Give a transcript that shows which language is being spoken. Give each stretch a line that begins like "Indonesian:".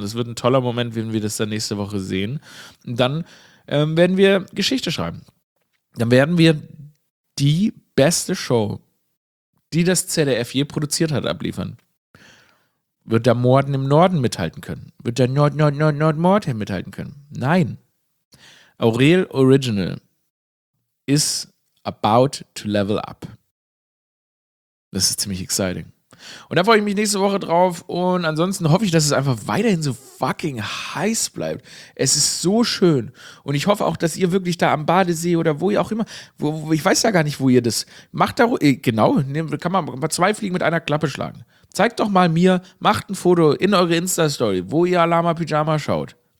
German: Und es wird ein toller Moment, wenn wir das dann nächste Woche sehen. Und dann werden wir Geschichte schreiben. Dann werden wir die beste Show, die das ZDF je produziert hat, abliefern. Wird der Morden im Norden mithalten können? Wird der Nord-Nord-Nord-Nord-Mord hier mithalten können? Nein.
English: Aurel Original is about to level up.
German: Das ist ziemlich exciting. Und da freue ich mich nächste Woche drauf. Und ansonsten hoffe ich, dass es einfach weiterhin so fucking heiß bleibt. Es ist so schön. Und ich hoffe auch, dass ihr wirklich da am Badesee oder wo ihr auch immer, wo ich weiß ja gar nicht, wo ihr das macht. Kann man mal zwei Fliegen mit einer Klappe schlagen. Zeigt doch mal mir, macht ein Foto in eure Insta-Story, wo ihr Alama Pyjama schaut.